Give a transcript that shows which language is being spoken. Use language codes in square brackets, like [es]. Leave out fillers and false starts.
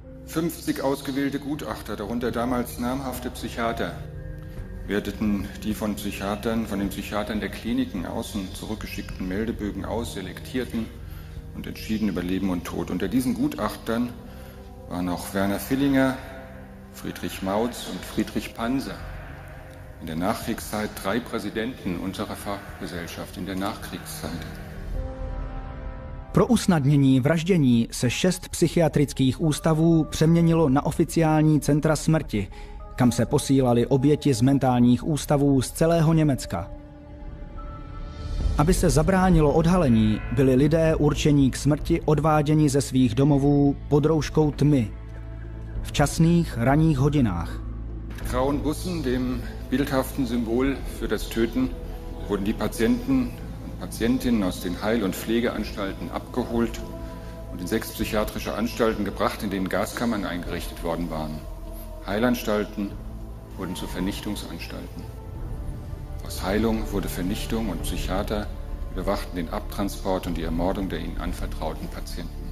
[de] 50 ausgewählte Gutachter, darunter damals namhafte Psychiater, werteten die von den Psychiatern der Kliniken außen zurückgeschickten Meldebögen aus, selektierten und entschieden über Leben und Tod. Unter diesen Gutachtern waren auch Werner Villinger, Friedrich Mautz und Friedrich Panser. In der Nachkriegszeit drei Präsidenten unserer Fachgesellschaft in der Nachkriegszeit. [cs] Pro usnadnění vraždění se 6 psychiatrických ústavů přeměnilo na oficiální centra smrti, kam se posílali oběti z mentálních ústavů z celého Německa. Aby se zabránilo odhalení, byli lidé určení k smrti odváděni ze svých domovů pod rouškou tmy v časných ranních hodinách. [de] Grauen Bussen, dem bildhaften Symbol für das Töten, wurden die Patienten und Patientinnen aus den Heil- und Pflegeanstalten abgeholt und in 6 psychiatrische Anstalten gebracht, in denen Gaskammern eingerichtet worden waren. Heilanstalten wurden zu Vernichtungsanstalten. Aus Heilung wurde Vernichtung und Psychiater überwachten den Abtransport und die Ermordung der ihnen anvertrauten Patienten.